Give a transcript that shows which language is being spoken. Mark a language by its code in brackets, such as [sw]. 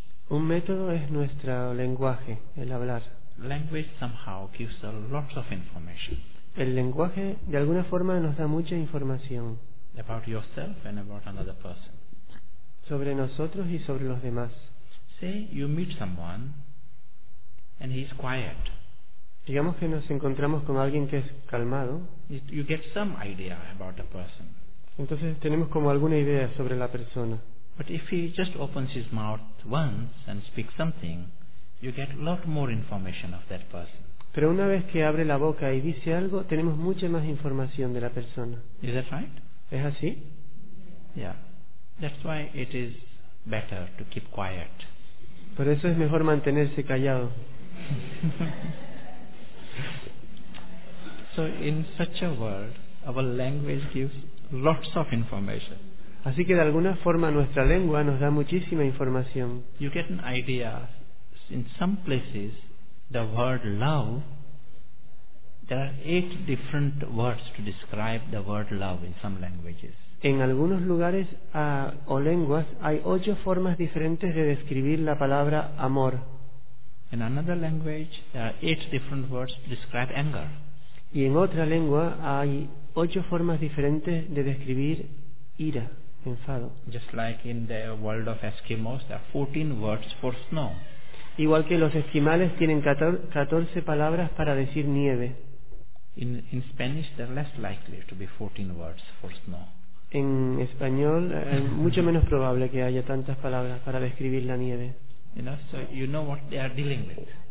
[es] Un método es nuestro lenguaje, el hablar. [en] Language somehow gives a lot of information. [es] El lenguaje de alguna forma nos da mucha información. [en] About yourself and about another person. [es] Sobre nosotros y sobre los demás. [en] Say you meet someone and he's quiet. [es] Digamos que nos encontramos con alguien que es calmado. [en] You get some idea about the person. [es] Entonces tenemos como alguna idea sobre la persona. [en] But if he just opens his mouth once and speaks something, you get a lot more information of that person. [es] Pero una vez que abre la boca y dice algo, tenemos mucha más información de la persona. [en] Is that right? [es] ¿Es así? [en] Yeah. That's why it is better to keep quiet. [es] Por eso es mejor mantenerse callado. [en] So in such a world, our language gives lots of information. [es] Así que de alguna forma nuestra lengua nos da muchísima información. [en] You get an idea. In some places, the word love, there are 8 different words to describe the word love in some languages. [es] En algunos lugares o lenguas hay 8 formas diferentes de describir la palabra amor. [en] In another language, there are 8 different words to describe anger. [es] Y en otra lengua hay 8 formas diferentes de describir ira, enfado. [en] Just like in the world of Eskimos, there are 14 words for snow. [es] Igual que los esquimales tienen 14 palabras para decir nieve. [en] In Spanish, they're less likely to be 14 words for snow. [es] En español es mucho menos probable que haya tantas palabras para describir la nieve. [en] You know, so you know what they are dealing with.